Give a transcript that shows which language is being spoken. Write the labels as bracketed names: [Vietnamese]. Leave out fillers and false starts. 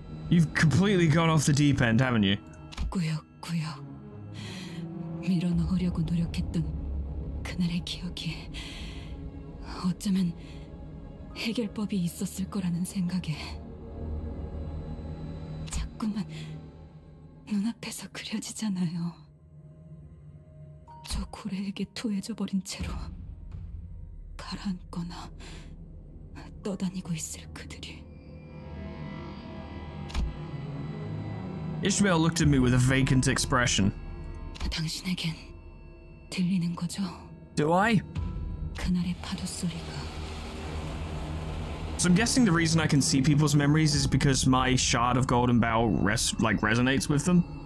[English] You've completely gone off the deep end, haven't you? [Korean] 꾸역꾸역 밀어넣으려고 노력했던 그날의 기억이 어쩌면 해결법이 있었을 거라는 생각에 자꾸만 눈앞에서 그려지잖아요. 저 고래에게 토해져 버린 채로 가라앉거나 떠다니고 있을 그들이. [English] Ishmael looked at me with a vacant expression. [Korean] 당신에겐 들리는 거죠? [English] Do I? [Korean] 그날의 파도 소리가. [English] So I'm guessing the reason I can see people's memories is because my shard of golden bough resonates with them.